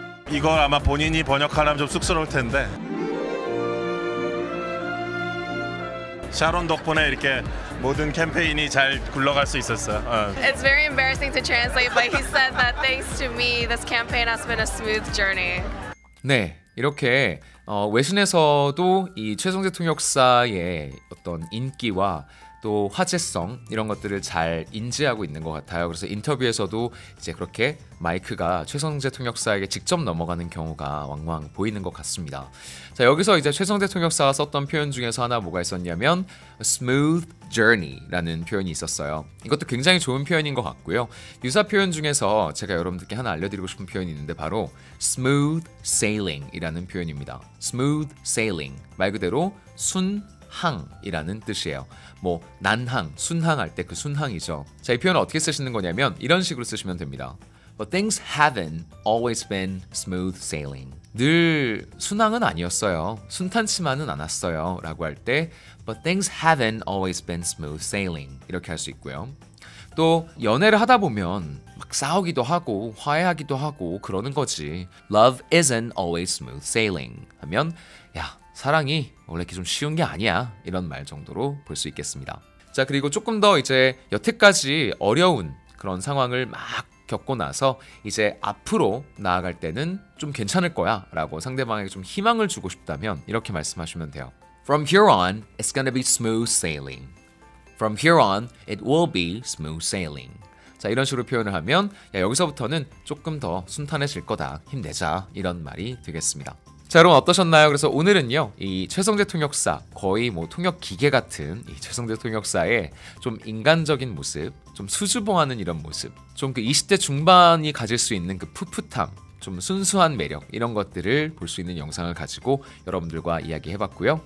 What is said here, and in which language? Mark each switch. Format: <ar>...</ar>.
<ko>이걸 아마 본인이 번역하려면 좀 쑥스러울 텐데 샤론 덕분에 이렇게 모든 캠페인이 잘 굴러갈 수 있었어요.</ko> <en>It's very embarrassing to translate, but he said that thanks to me, this campaign has been a smooth journey.</en> <ko>네, 이렇게 외신에서도 이 최성재 통역사의 어떤 인기와 또 화제성 이런 것들을 잘 인지하고 있는 것 같아요. 그래서 인터뷰에서도 이제 그렇게 마이크가 최성재 통역사에게 직접 넘어가는 경우가 왕왕 보이는 것 같습니다. 자, 여기서 이제 최성재 통역사가 썼던 표현 중에서 하나 뭐가 있었냐면 smooth journey라는 표현이 있었어요. 이것도 굉장히 좋은 표현인 것 같고요. 유사 표현 중에서 제가 여러분들께 하나 알려드리고 싶은 표현이 있는데 바로 smooth sailing이라는 표현입니다. smooth sailing 말 그대로 순 항이라는 뜻이에요. 뭐 난항, 순항할 때 그 순항이죠. 자, 이 표현을 어떻게 쓰시는 거냐면 이런 식으로 쓰시면 됩니다.</ko> <en>But things haven't always been smooth sailing.</en> <ko>늘 순항은 아니었어요. 순탄치만은 않았어요. 라고 할 때</ko> <en>But things haven't always been smooth sailing.</en> <ko>이렇게 할 수 있고요. 또 연애를 하다 보면 막 싸우기도 하고 화해하기도 하고 그러는 거지.</ko> <en>Love isn't always smooth sailing.</en> <ko>하면 야 사랑이 원래 이렇게 좀 쉬운 게 아니야 이런 말 정도로 볼 수 있겠습니다. 자, 그리고 조금 더 이제 여태까지 어려운 그런 상황을 막 겪고 나서 이제 앞으로 나아갈 때는 좀 괜찮을 거야 라고 상대방에게 좀 희망을 주고 싶다면 이렇게 말씀하시면 돼요.</ko> <en>From here on, it's gonna be smooth sailing. From here on, it will be smooth sailing.</en> <ko>자, 이런 식으로 표현을 하면 야, 여기서부터는 조금 더 순탄해질 거다, 힘내자 이런 말이 되겠습니다. 자, 여러분 어떠셨나요? 그래서 오늘은요, 이 최성재 통역사, 거의 뭐 통역 기계 같은 이 최성재 통역사의 좀 인간적인 모습, 좀 수줍어하는 이런 모습, 좀 그 20대 중반이 가질 수 있는 그 풋풋함, 좀 순수한 매력 이런 것들을 볼 수 있는 영상을 가지고 여러분들과 이야기해봤고요.</ko>